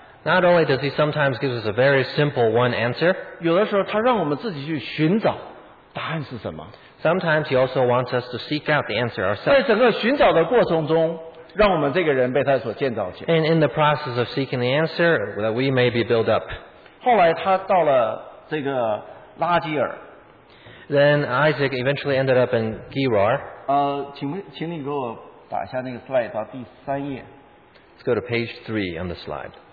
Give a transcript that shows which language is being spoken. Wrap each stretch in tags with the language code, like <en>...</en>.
<en>not only does he sometimes give us a very simple one answer,</en> <zh>有的时候他让我们自己去寻找答案是什么,</zh> <en>sometimes he also wants us to seek out the answer ourselves.</en> <zh>在整个寻找的过程中, 让我们这个人被他所建造起来,</zh> <en>and in the process of seeking the answer, that we may be built up.</en> <zh>后来他到了这个拉基尔,</zh> <en>then Isaac eventually ended up in Gerar.</en> <zh>请你给我打一下那个 slide 到第三页。</zh> <en>Let's go to page 3 on the slide.</en>